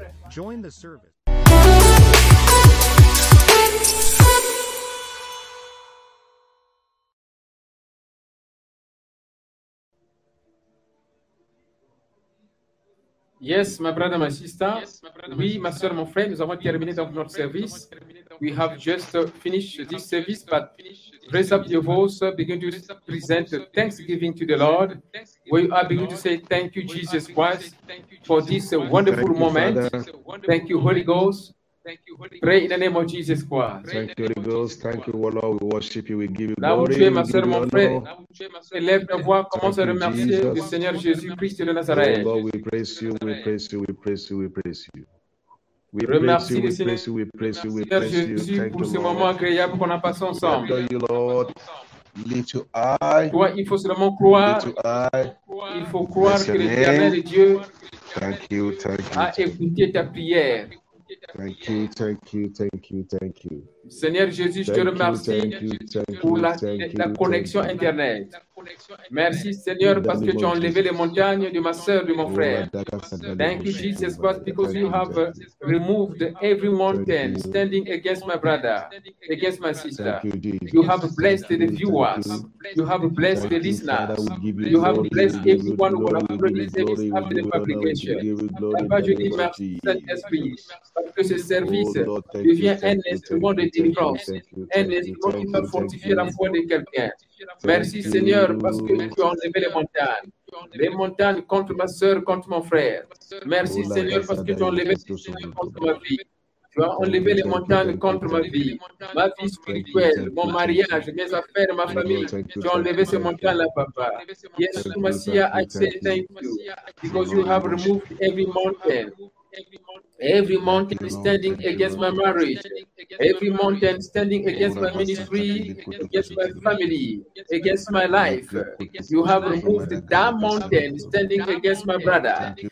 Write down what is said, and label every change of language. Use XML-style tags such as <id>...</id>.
<en>Join the service. Yes, my brother, my sister.</en> <fr>Oui, ma soeur, mon frère, nous avons terminé donc notre service.</fr> <en>We have just finished this service, but raise up your voice, begin to present thanksgiving to the Lord. We are beginning to say thank you, Jesus Christ, for this wonderful moment. Thank you, Holy Ghost. Pray in the name of Jesus Christ. Thank you, Holy Ghost. Thank you, Lord. We worship you. We give you glory.</en> <fr>Là où tu es, ma soeur, mon frère, élève ta voix, commence à remercier le Seigneur Jésus-Christ de Nazareth.</fr> <en>Oh Lord, we praise you, we praise you, we praise you, we praise you. We praise you, we praise you, we praise you, we praise you. Thank you, Lord.</en> <fr>Pour ce moment agréable qu'on a passé ensemble.</fr> <en>Thank you, Lord. Lift your eye.</en> <fr>Toi, il faut seulement croire.</fr> <en>Lift your eye.</en> <fr>Il faut croire que l'Éternel est Dieu.</fr> <en>Thank you, thank you.</en> <fr>A écouté ta prière.</fr> <en>Thank you, thank you, thank you, thank you.</en> <fr>Seigneur Jésus, je te remercie pour la connexion Internet. Merci Seigneur parce que tu as enlevé les montagnes de ma sœur, de mon frère.</fr> <en>Thank you Jesus Christ because you have removed every mountain standing against my brother, against my sister. You have blessed the viewers. You have blessed the listeners. You have blessed everyone who has produced this after the publication.</en> <fr>Papa, je dis merci Saint-Esprit parce que ce service devient un instrument de délivrance, un instrument qui peut fortifier la foi de quelqu'un. Merci Seigneur parce que tu as enlevé les montagnes contre ma soeur, contre mon frère. Merci Seigneur parce que tu as enlevé les montagnes contre ma vie. Tu as enlevé les montagnes contre ma vie. Ma vie spirituelle, mon mariage, mes affaires, ma famille. Tu as enlevé ces montagnes-là, papa.</fr> <en>Yes, Messiah, I say thank you because you have removed every mountain. Every mountain standing against my marriage, every mountain standing against my ministry, against my family, against my life. You have removed that mountain standing against my brother.</en>